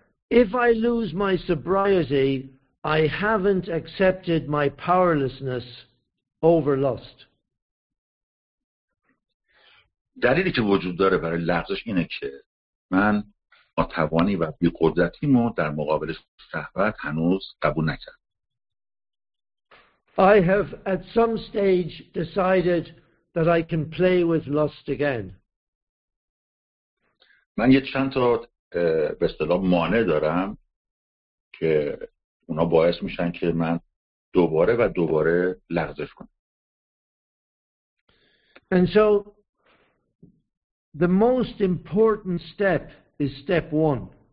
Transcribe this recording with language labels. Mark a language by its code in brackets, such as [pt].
[en] If I lose my sobriety, I haven't accepted my powerlessness over lust. [fa] دلیلی که وجود داره برای لفظش اینه که من ناتوانی و بی‌قدرتیمو در مقابل شهوت هنوز قبول نکردم. [en] I have at some stage decided that I can play with lust again. [fa] من یه چند تا به اصطلاح مانع دارم که اونا باعث میشن که من دوباره لغزش کنم. [en] And so the most important step is step 1.